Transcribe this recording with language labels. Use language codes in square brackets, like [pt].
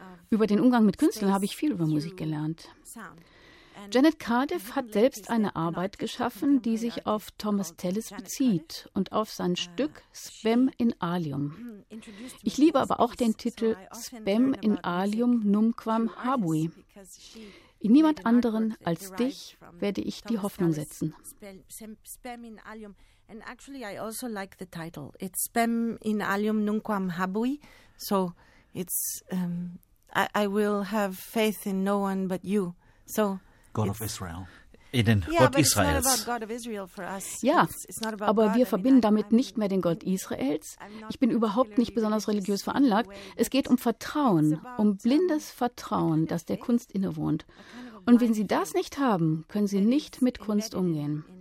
[de] Über den Umgang mit Künstlern habe ich viel über Musik gelernt. Janet Cardiff hat selbst eine Arbeit geschaffen, die sich auf Thomas Tallis bezieht und auf sein Stück Spem in Alium. Ich liebe aber auch den Titel Spem in Alium Numquam Habui. In niemand anderen als dich werde ich die Hoffnung setzen. Spem in Alium. [en] And actually I also like the title. It's Spem in Alium Numquam Habui. So it's I will have faith in no one but you. So God of Israel. [de] In den Gott Israels. Ja, aber wir verbinden damit nicht mehr den Gott Israels. Ich bin überhaupt nicht besonders religiös veranlagt. Es geht um Vertrauen, um blindes Vertrauen, das der Kunst innewohnt. Und wenn Sie das nicht haben, können Sie nicht mit Kunst umgehen.